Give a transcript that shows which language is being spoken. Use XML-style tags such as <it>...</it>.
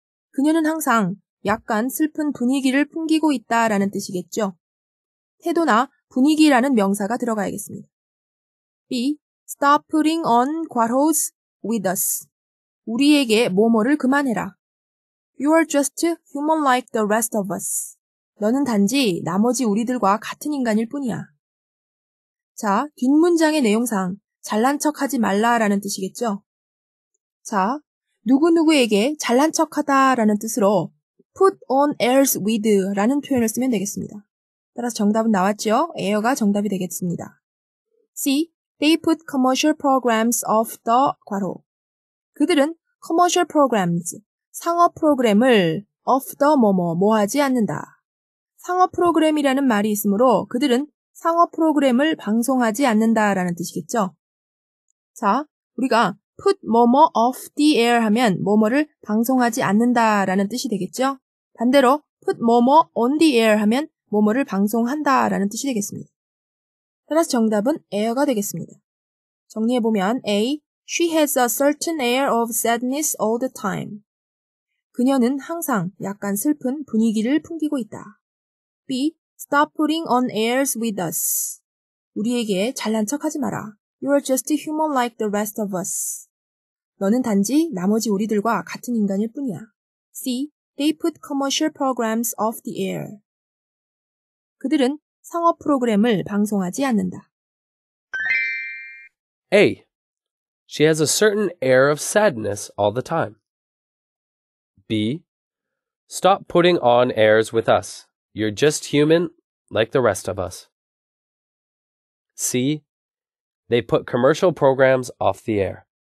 <ko>그녀는 항상 약간 슬픈 분위기를 풍기고 있다 라는 뜻이겠죠. 태도나 분위기라는 명사가 들어가야겠습니다.</ko> <en>B. Stop putting on 괄호s with us.</en> <ko>우리에게 뭐뭐를 그만해라.</ko> <en>You are just human like the rest of us.</en> <ko>너는 단지 나머지 우리들과 같은 인간일 뿐이야. 자, 뒷문장의 내용상 잘난 척하지 말라 라는 뜻이겠죠. 자, 누구누구에게 잘난 척하다 라는 뜻으로 put on airs with 라는 표현을 쓰면 되겠습니다. 따라서 정답은 나왔죠? air가 정답이 되겠습니다. C.</ko> <en>They put commercial programs off the 괄호.</en> <ko>그들은 commercial programs, 상업 프로그램을 off the 뭐뭐, 뭐하지 않는다. 상업 프로그램이라는 말이 있으므로 그들은 상업 프로그램을 방송하지 않는다 라는 뜻이겠죠? 자, 우리가 put 뭐뭐 off the air 하면 뭐뭐를 방송하지 않는다 라는 뜻이 되겠죠? 반대로 put 뭐뭐 on the air 하면 뭐뭐를 방송한다 라는 뜻이 되겠습니다. 따라서 정답은 air가 되겠습니다. 정리해보면 A.</ko> <en>She has a certain air of sadness all the time.</en> <ko>그녀는 항상 약간 슬픈 분위기를 풍기고 있다.</ko> <en>B. Stop putting on airs with us.</en> <ko>우리에게 잘난 척하지 마라.</ko> <en>You are just human like the rest of us.</en> <ko>너는 단지 나머지 우리들과 같은 인간일 뿐이야.</ko> <en>C. They put commercial programs off the air.</en> <ko>그들은 상업 프로그램을 방송하지 않는다.</ko> <en>A. She has a certain air of sadness all the time. B. Stop putting on airs with us. You're just human like the rest of us. C. They put commercial programs off the air.</en>